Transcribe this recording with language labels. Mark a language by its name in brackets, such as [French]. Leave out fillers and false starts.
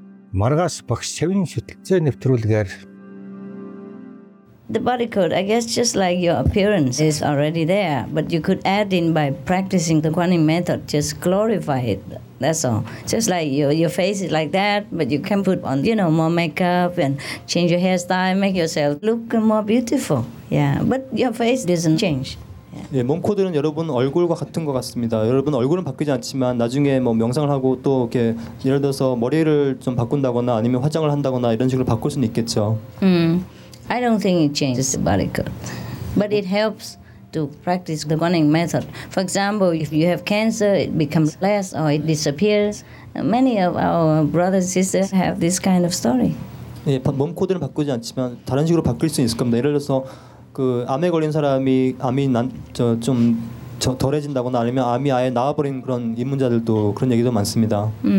[English] Маргаас багш шавын сэтгэлцээ нэвтрүүлгээр. The body code, I guess just like your appearance is already there, but you could add in by practicing the Kuan Yin method, just glorify it, that's all. Just like your face is like that, but you can put on, you know, more makeup and change your hairstyle, make yourself look more beautiful. Yeah, but your face doesn't change. Yeah. [Korean] 예, 몸코드는 여러분 얼굴과 같은 것 같습니다. 여러분 얼굴은 바뀌지 않지만 나중에 뭐 명상을 하고 또 이렇게 예를 들어서 머리를 좀 바꾼다거나 아니면 화장을 한다거나 이런 식으로 바꿀 수는 있겠죠. [English] I don't think it changes the body code, but it helps to practice the Kuan Yin method. For example, if you have cancer, it becomes less or it disappears. Many of our brothers and sisters have this kind of story. [Korean] 예, 몸 코드는 바꾸지 않지만 다른 식으로 바뀔 수 있을 겁니다. 예를 들어서 그 암에 걸린 사람이 암이 난 저 좀 저 덜해진다거나 아니면 암이 아예 나와버린 그런 입문자들도 그런 얘기도 많습니다.